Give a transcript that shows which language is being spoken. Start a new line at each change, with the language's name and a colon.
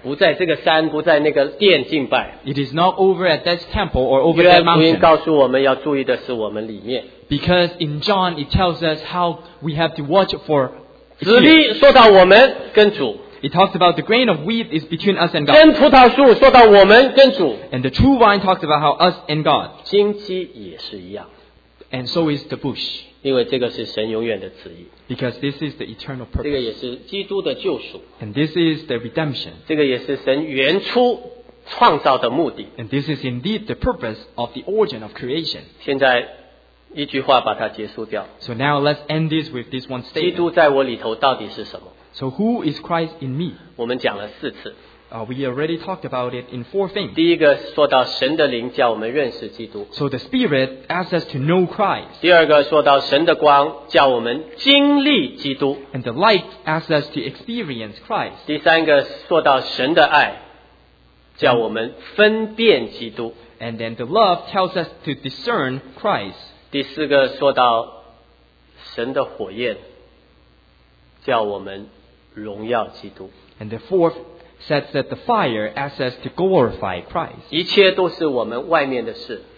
Chinese: 不在这个山，不在那个殿敬拜。
English: It is not over at that temple or over that mountain.
Chinese: 约翰福音告诉我们要注意的是我们里面。
English: Because in John it tells us how we have to watch for.
Chinese: 子粒说到我们跟主。
English: It talks about the grain of wheat is between us and God.
Chinese: 真葡萄树说到我们跟主。
English: And the true vine talks about how us and God.
Chinese: 荆棘也是一样。
English: And so is the bush.
Chinese: 因为这个是神永远的旨意。
English: Because this is the eternal purpose.
Chinese: 这个也是基督的救赎。
English: And this is the redemption.
Chinese: 这个也是神原初创造的目的。
English: And this is indeed the purpose of the origin of creation.
Chinese: 现在。一句话把它结束掉。
English: So now let's end this with this one statement.
Chinese: 基督在我里头到底是什么？
English: So who is Christ in me?
Chinese: 我们讲了四次。
English: We already talked about it in four things.
Chinese: 第一个说到神的灵叫我们认识基督。
English: So the Spirit asks us to know Christ.
Chinese: 第二个说到神的光叫我们经历基督。
English: And the light asks us to experience Christ.
Chinese: 第三个说到神的爱叫我们分辨基督。
English: And then the love tells us to discern Christ.
Chinese: 第四个说到神的火焰叫我们荣耀基督。
English: And the fourth says that the fire asks us to glorify Christ.
Chinese: 一切都是我们外面的事。